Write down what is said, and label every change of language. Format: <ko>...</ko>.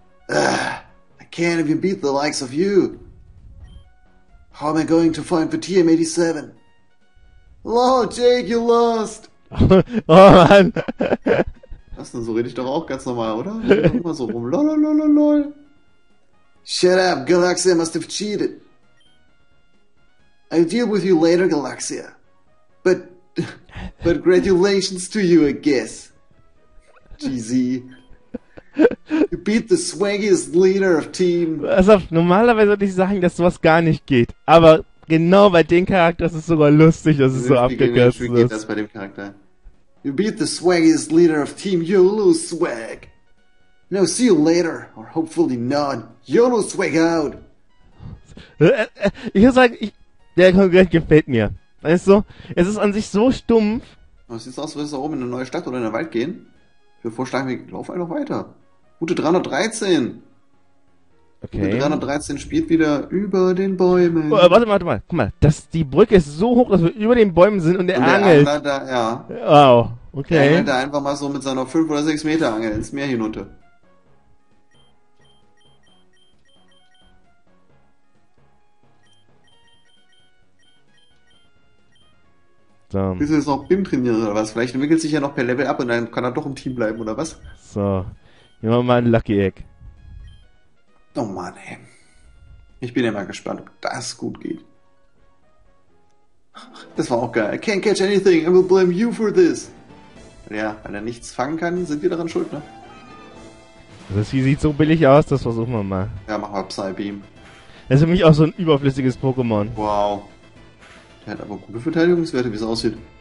<en>I can't even beat the likes of you! How am I going to find the TM-87? Lol, Jake, you lost!</en> <de>Oh Mann! Was denn, so rede ich doch auch ganz normal, oder? Ich immer so rum.</de> <en>Lol, lol, lol, lol. Shut up, Galaxia must have cheated. I'll deal with you later, Galaxia. But congratulations to you, I guess. GZ. You beat the swaggiest leader of team.</en> <de>Also, normalerweise würde ich sagen, dass sowas gar nicht geht. Aber genau bei dem Charakter ist es sogar lustig, dass es so abgekürzt ist. Wie geht das bei dem Charakter?</de> <en>You beat the swaggiest leader of team, you lose swag. No, see you later. Or hopefully not. You lose swag out.</en> <de>Ich muss sagen, der Konkurrent gefällt mir. Weißt du, es ist an sich so stumpf. Es sieht aus, als würdest du da oben in eine neue Stadt oder in den Wald gehen. Ich würde vorschlagen, wir laufen einfach weiter. Route 313. Okay. Route 313 spielt wieder über den Bäumen. Oh, warte mal, warte mal. Guck mal, die Brücke ist so hoch, dass wir über den Bäumen sind und der angelt. Angler da, ja. Wow, okay. Der angelt da einfach mal so mit seiner 5 oder 6 Meter Angel ins Meer hinunter. So. Bist du jetzt noch BIM trainieren oder was? Vielleicht entwickelt sich ja noch per Level up und dann kann er doch im Team bleiben, oder was? So. Nehmen wir mal ein Lucky Egg. Oh Mann, ey. Ich bin ja mal gespannt, ob das gut geht. Das war auch geil.</de> <en>I can't catch anything. I will blame you for this.</en> <de>Ja, weil er nichts fangen kann, sind wir daran schuld, ne? Das hier sieht so billig aus, das versuchen wir mal. Ja, machen wir Psybeam. Das ist für mich auch so ein überflüssiges Pokémon. Wow. Der hat aber gute Verteidigungswerte, wie es aussieht.</de>